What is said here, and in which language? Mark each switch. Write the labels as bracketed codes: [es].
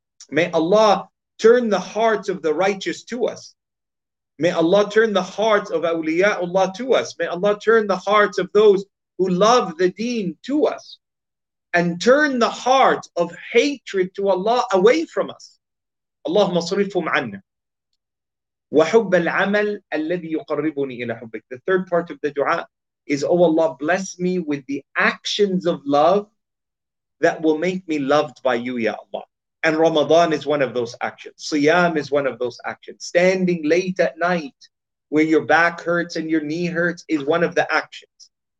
[en] May Allah turn the hearts of the righteous to us. May Allah turn the hearts of awliya'ullah to us. May Allah turn the hearts of those who love the deen to us. And turn the heart of hatred to Allah away from us. [ar] Allahumma sarifhum anna. وحب العمل الذي يقربني إلى حبك. [en] The third part of the dua is, oh Allah, bless me with the actions of love that will make me loved by you, Ya Allah. And Ramadan is one of those actions. Siyam is one of those actions. Standing late at night where your back hurts and your knee hurts is one of the actions.